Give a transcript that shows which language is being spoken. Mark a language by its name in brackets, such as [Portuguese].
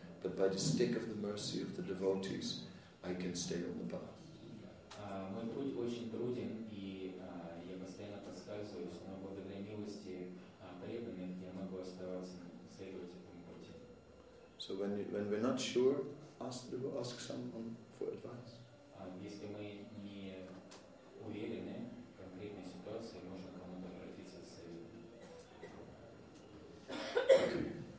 [English] But by the stick of the mercy of the devotees, I can stay on the path. [Russian] Мой путь очень труден, и я постоянно подсказываюсь, но благодаря милости преданных я могу оставаться следовать этому пути. [English] So when we're not sure, ask someone for advice. [Russian] Если мы не уверены в конкретной ситуации, можно к кому-то обратиться с советом.